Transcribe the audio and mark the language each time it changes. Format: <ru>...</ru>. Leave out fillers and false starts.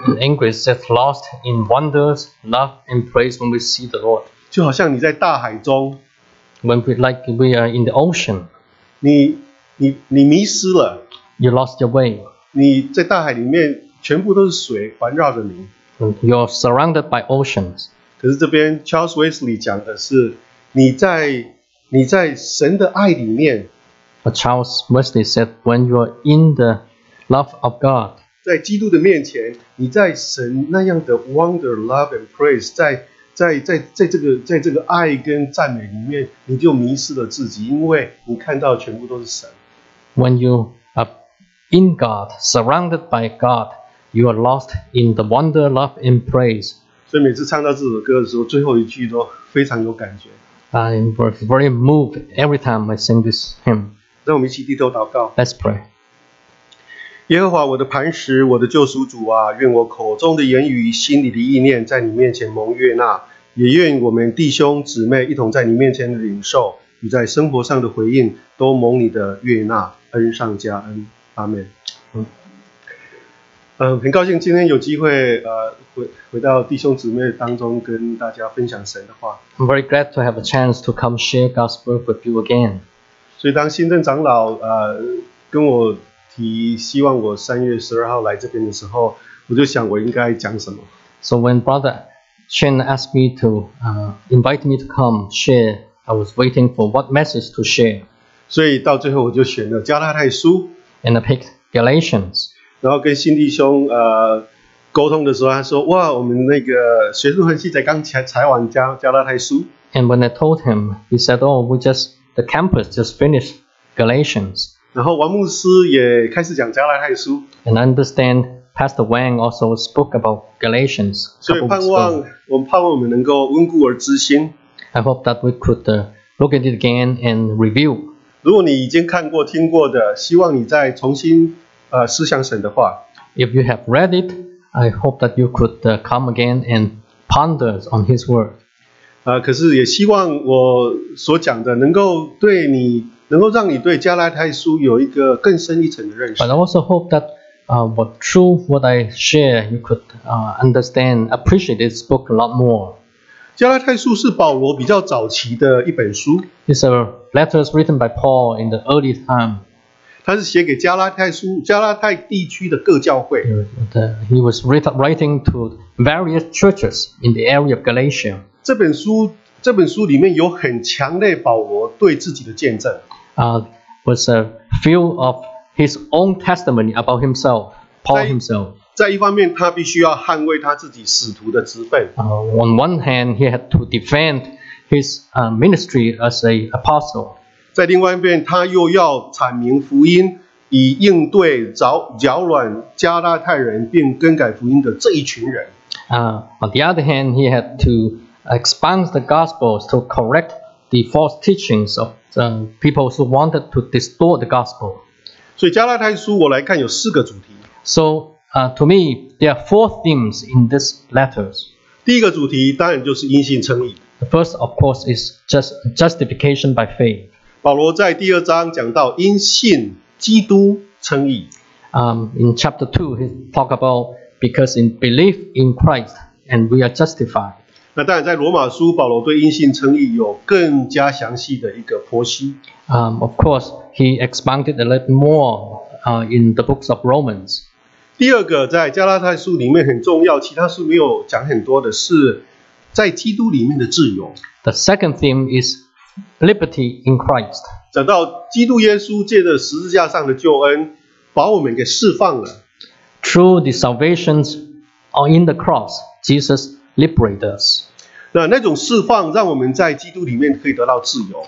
<en>English says lost in wonders, love and praise when we see the Lord.</en> <zh>就好像你在大海中</zh> <en>，when we like we are in the ocean.</en> <zh>你迷失了</zh> <en>，you lost your way.</en> <zh>你在大海里面全部都是水环绕着你</zh> <en>，you're surrounded by oceans.</en> <zh>可是这边 Charles Wesley 讲的是你在神的爱里面</zh> <en>，But Charles Wesley said, "When you are in the love of God,"</en> <zh>在基督的面前，你在神那样的</zh> <en>wonder, love and praise，</en> <zh>在这个爱跟赞美里面，你就迷失了自己，因为你看到全部都是神。</zh> <en>When you are in God, surrounded by God, you are lost in the wonder, love and praise.</en> <zh>所以每次唱到这首歌的时候，最后一句都非常有感觉。</zh> <en>I'm very moved every time I sing this hymn.</en> <zh>让我们一起低头祷告。</zh> <en>Let's pray.</en> <zh>耶和华我的磐石，我的救赎主啊，愿我口中的言语、心里的意念，在你面前蒙悦纳，也愿我们弟兄姊妹一同在你面前的领受与在生活上的回应，都蒙你的悦纳，恩上加恩。阿门。很高兴今天有机会回到弟兄姊妹当中跟大家分享神的话。</zh> <en>I'm very glad to have a chance to come share God's word with you again.</en> <zh>所以当新政长老跟我提希望我3月12号来这边的时候，我就想我应该讲什么。</zh> <en>So when Brother Chen asked me to invite me to come share, I was waiting for what message to share.</en> <zh>所以到最后我就选了加拉太书。</zh> <en>And I picked Galatians.</en> <zh>然后跟新弟兄沟通的时候，他说：“哇，我们那个学术分析才刚才完加拉太书。”</zh> <en>And when I told him, he said, "Oh, we just the campus just finished Galatians."</en> <zh>然后王牧师也开始讲加拉太书。</zh> <en>And I understand Pastor Wang also spoke about Galatians.</en> <zh>所以盼望我们能够温故而知新。</zh> <en>I hope that we could look at it again and review.</en> <zh>如果你已经看过、听过的，希望你再重新。思想神的话。</zh> <en>If you have read it, I hope that you could come again and ponder on His word.</en> <zh>可是也希望我所讲的能够对你，能够让你对加拉太书有一个更深一层的认识。</zh> <en>But I also hope that through what I share, you could understand, appreciate this book a lot more.</en> <zh>加拉太书是保罗比较早期的一本书。</zh> <en>It's a letter written by Paul in the early time.</en> <zh>他是写给加拉太地区的各教会。</zh> <en>He was writing to various churches in the area of Galatia.</en> <zh>这本书里面有很强烈保罗对自己的见证。</zh> <en>Was a few of his own testimony about himself, Paul himself.</en> <zh>在一方面，他必须要捍卫他自己使徒的职分。</zh> <en>On one hand, he had to defend his ministry as an apostle.</en> <zh>在另外一边，他又要阐明福音，以应对扰乱加拉太人并更改福音的这一群人。</zh> <en>On the other hand, he had to expound the gospels to correct the false teachings of people who wanted to distort the gospel.</en> <zh>所以加拉太书我来看有四个主题。</zh> <en>So, to me, there are four themes in these letters.</en> <zh>第一个主题当然就是因信称义。</zh> <en>The first, of course, is just justification by faith.</en> <zh>保罗在第二章讲到因信基督称义。</zh> <en>In chapter 2, he talked about because in belief in Christ and we are justified.</en> <zh>那当然在罗马书，保罗对因信称义有更加详细的一个剖析。</zh> <en>Of course, he expounded a little more in the books of Romans.</en> <zh>第二个在加拉太书里面很重要，其他书没有讲很多的是在基督里面的自由。</zh> <en>The second theme is. Liberty in Christ.</en> <zh>讲到基督耶稣借着十字架上的救恩，把我们给释放了。</zh> <en>Through the salvation in the cross, Jesus liberated us.</en> <zh>那种释放让我们在基督里面可以得到自由。</zh>